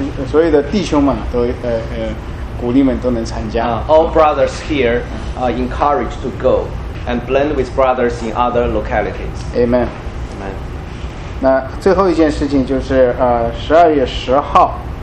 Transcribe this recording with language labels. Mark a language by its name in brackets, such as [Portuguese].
[Chinese] 所有的弟兄们都鼓励们都能参加。 [English] All brothers here are encouraged to go and blend with brothers in other localities. Amen. Amen. [Chinese] 那最后一件事情就是12月10号